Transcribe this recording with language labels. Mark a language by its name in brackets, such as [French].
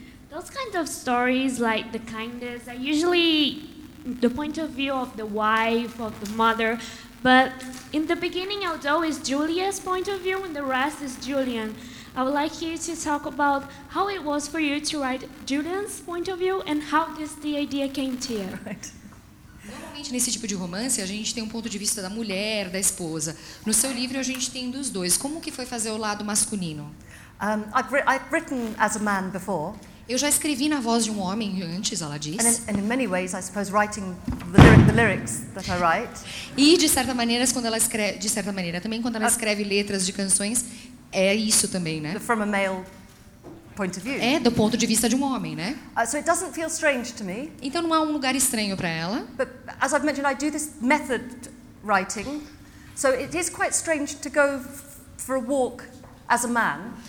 [English] Those kinds of stories, like the kindest, are usually the point of view of the wife, of the mother. But in the beginning, although it's Julia's point of view and the rest is Julian, I would like you to talk about how it was for you to write Julian's point of view and how this the idea came to you. Right. [Portuguese] Normalmente, nesse tipo de romance, a gente tem um ponto de vista da mulher, da esposa. No seu livro, a gente tem dos dois. Como que foi fazer o lado masculino? [English] I've written as a man before. [Portuguese] Eu já escrevi na voz de um homem antes, ela diz. [English] And in many ways, I suppose, writing the lyrics that I write. [Portuguese] E de certa maneira, quando ela escreve, de certa maneira, também quando ela escreve letras de canções, é isso também, né? [English] From a male point of view. [Portuguese] É do ponto de vista de um homem, né? [English] So it doesn't feel strange to me. [Portuguese] Então não há um lugar estranho para ela. [English] But as I've mentioned, I do this method writing, so it is quite strange to go for a walk as a man.